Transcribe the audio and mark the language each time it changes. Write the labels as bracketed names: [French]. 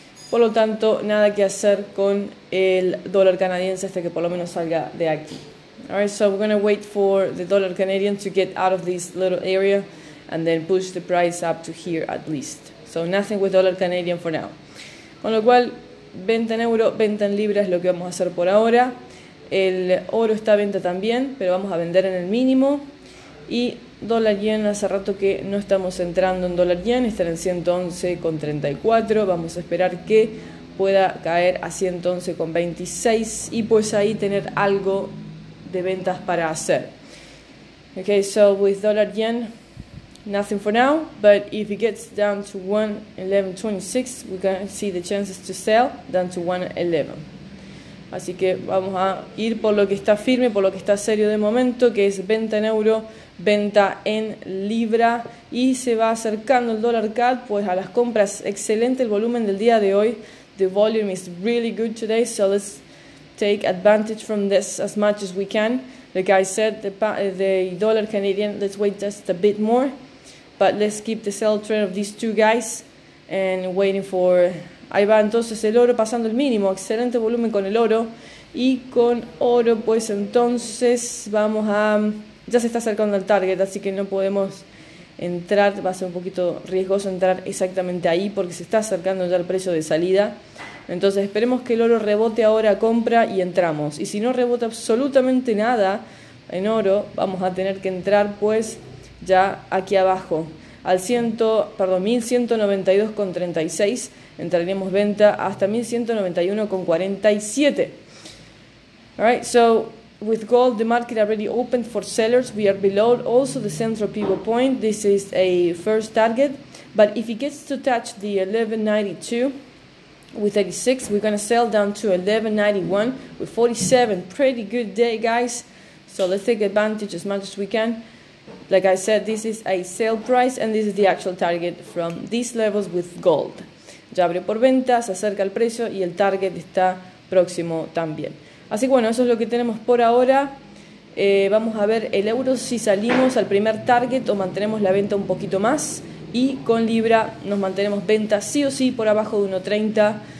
[Spanish] Por lo tanto, nada que hacer con el dólar canadiense hasta que por lo menos salga de aquí. [English] All right, so we're going to wait for the dollar Canadian to get out of this little area and then push the price up to here at least. So nothing with dollar Canadian for now. [Spanish] Con lo cual, venta en euro, venta en libra es lo que vamos a hacer por ahora. El oro está a venta también, pero vamos a vender en el mínimo. Y dólar yen, hace rato que no estamos entrando en dólar yen, están en 111.34, vamos a esperar que pueda caer a 111.26 y pues ahí tener algo de ventas para hacer. [English] Okay, so with dollar yen, nothing for now, but if it gets down to 111.26, we can see the chances to sell down to 111. [Spanish] Así que vamos a ir por lo que está firme, por lo que está serio de momento, que es venta en euro, venta en libra. Y se va acercando el dólar CAD, pues a las compras. Excelente el volumen del día de hoy. [English] The volume is really good today, so let's take advantage from this as much as we can. Like I said, the dollar Canadian, let's wait just a bit more. But let's keep the sell trend of these two guys. and waiting for. [Spanish] Ahí va entonces el oro pasando el mínimo. Excelente volumen con el oro. Y con oro, pues entonces vamos a. Ya se está acercando al target, así que no podemos entrar. Va a ser un poquito riesgoso entrar exactamente ahí porque se está acercando ya el precio de salida. Entonces esperemos que el oro rebote ahora a compra y entramos. Y si no rebota absolutamente nada en oro, vamos a tener que entrar pues ya aquí abajo. Al 1192,36 entraríamos venta hasta 1191,47. [English] All right, so with gold, the market already opened for sellers. We are below also the central pivot point. This is a first target. But if it gets to touch the 1192,36, we're going to sell down to 1191,47. Pretty good day, guys. So let's take advantage as much as we can. Like I said, this is a sale price and this is the actual target from these levels with gold. [Spanish] Ya abrió por ventas, se acerca el precio y el target está próximo también. Así que bueno, eso es lo que tenemos por ahora. Vamos a ver el euro si salimos al primer target o mantenemos la venta un poquito más. Y con Libra nos mantenemos venta sí o sí por abajo de 1.30.